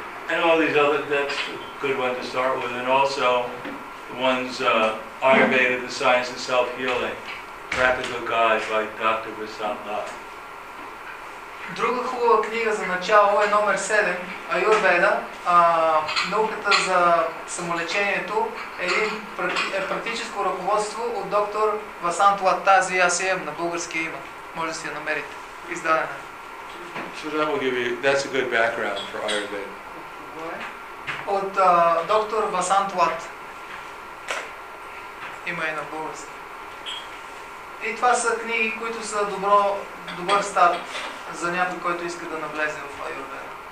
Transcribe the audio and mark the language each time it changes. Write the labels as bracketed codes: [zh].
[en] And all these other, that's a good one to start with, and also the ones Ayurveda, the Science of Self-Healing, Practical Guide by Dr. Vasantha. [bg] Друга хубава книга за начало е номер 7, Аюрведа, науката за самолечението, е практическо ръководство от доктор Васант Латази, аз имам на български има, може да си я намерите, издадена. [en] So that will give you, that's a good background for Ayurveda. [bg] От доктор Васант Лат, има и на български. И това са книги, които са добър старт за някой, който иска да навлезе в Ayurveda.